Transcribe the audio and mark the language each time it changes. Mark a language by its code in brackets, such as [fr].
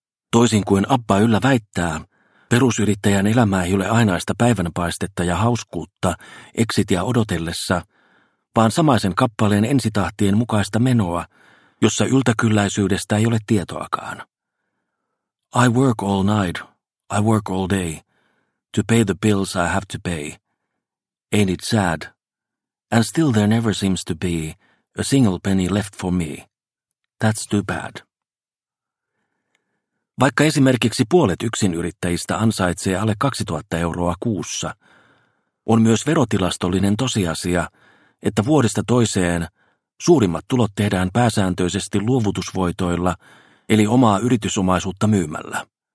[fi] Toisin kuin Abba yllä väittää, perusyrittäjän elämä ei ole ainaista päivänpaistetta ja hauskuutta exitiä odotellessa, vaan samaisen kappaleen ensitahtien mukaista menoa, jossa yltäkylläisyydestä ei ole tietoakaan. [en] I work all night, I work all day, to pay the bills I have to pay. Ain't it sad? And still there never seems to be a single penny left for me. That's too bad. [fi] Vaikka esimerkiksi puolet yksinyrittäjistä ansaitsee alle 2000 euroa kuussa, on myös verotilastollinen tosiasia, että vuodesta toiseen suurimmat tulot tehdään pääsääntöisesti luovutusvoitoilla, eli omaa yritysomaisuutta myymällä.